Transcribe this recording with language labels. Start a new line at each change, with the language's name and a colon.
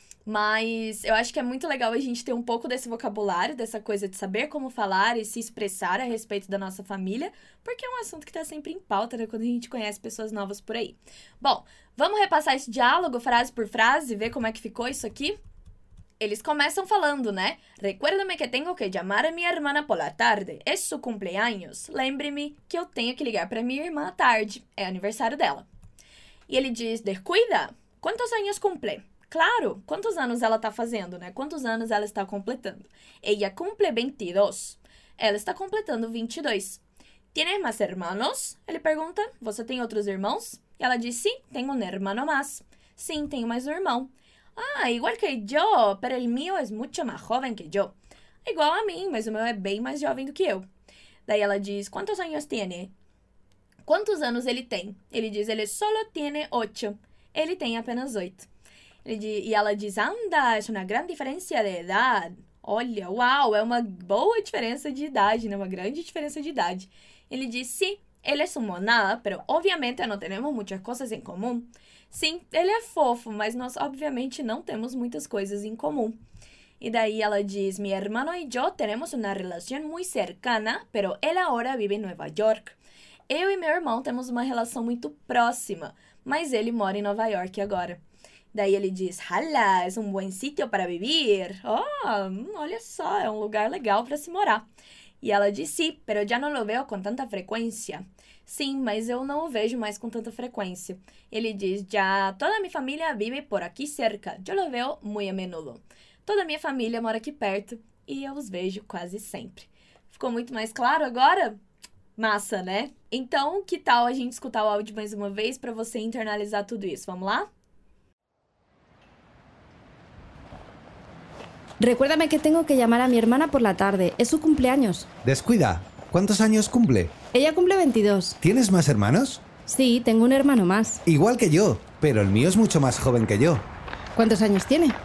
Portuguese: Mas eu acho que é muito legal a gente ter um pouco desse vocabulário, dessa coisa de saber como falar e se expressar a respeito da nossa família, porque é um assunto que tá sempre em pauta, né, quando a gente conhece pessoas novas por aí. Bom, vamos repassar esse diálogo frase por frase, ver como é que ficou isso aqui? Eles começam falando, né?
Spanish: Recuérdame que tengo que llamar a mi hermana por la tarde. Es su cumpleaños.
Portuguese: Lembre-me que eu tenho que ligar para minha irmã à tarde. É aniversário dela. E ele diz,
Spanish: descuida. ¿Cuántos años cumple?
Portuguese: Claro, quantos anos ela está fazendo, né? Quantos anos ela está completando?
Spanish: Ella cumple 22.
Portuguese: Ela está completando 22.
Spanish: ¿Tienes más hermanos?
Portuguese: Ele pergunta, você tem outros irmãos? E ela diz, sim, tenho
Spanish: un hermano más.
Portuguese: Sim, tenho mais um irmão.
Spanish: Ah, igual que yo, pero el mío es mucho más joven que yo.
Portuguese: Igual a mim, mas o meu é bem mais jovem do que eu. Daí ela diz,
Spanish: ¿cuántos años tiene?
Portuguese: ¿Cuántos anos ele tem? Ele diz, ele
Spanish: solo tiene 8.
Portuguese: Ele tem apenas 8. E ela diz,
Spanish: anda, es una gran diferencia de edad.
Portuguese: Olha, uau, é uma boa diferença de idade, né? Uma grande diferença de idade. Ele diz,
Spanish: sí, él es un monada, pero obviamente no tenemos muchas cosas en común.
Portuguese: Sim, ele é fofo, mas nós obviamente não temos muitas coisas em comum. E daí ela diz,
Spanish: mi hermano y yo tenemos una relación muy cercana, pero él ahora vive en Nueva York.
Portuguese: Eu e meu irmão temos uma relação muito próxima, mas ele mora em Nova York agora. Daí ele diz,
Spanish: hala, es un buen sitio para vivir.
Portuguese: Oh, olha só, é um lugar legal para se morar. E ela diz,
Spanish: sí, pero ya no lo veo con tanta frecuencia.
Portuguese: Sim, mas eu não o vejo mais com tanta frequência. Ele diz,
Spanish: ya toda mi familia vive por aquí cerca. Yo lo veo muy a menudo.
Portuguese: Toda minha família mora aqui perto e eu os vejo quase sempre. Ficou muito mais claro agora? Massa, né? Então, que tal a gente escutar o áudio mais uma vez para você internalizar tudo isso? Vamos lá?
Spanish: Recuérdame que tengo que llamar a mi hermana por la tarde. Es su cumpleaños. Descuida, ¿cuántos años cumple? Ella cumple 22. ¿Tienes más hermanos? Sí, tengo un hermano más. Igual que yo, pero el mío es mucho más joven que yo. ¿Cuántos años tiene?